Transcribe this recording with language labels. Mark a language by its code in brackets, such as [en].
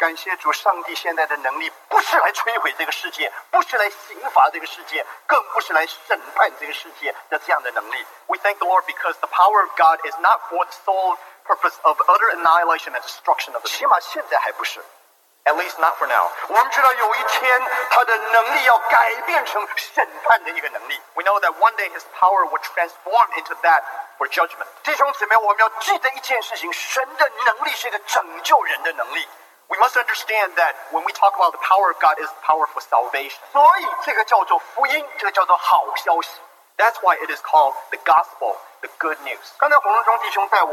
[en] We thank the Lord because the power of God is not for the sole purpose of utter annihilation and destruction of the world. At least not for now. We know that one day his power will transform into that for judgment. [zh] 弟兄姊妹，我们要记得一件事情，神的能力是个拯救人的能力。 [en] We must understand that when we talk about the power of God, it's power for salvation. [zh] 所以这个叫做福音，这个叫做好消息。 [en] That's why it is called the gospel, the good news.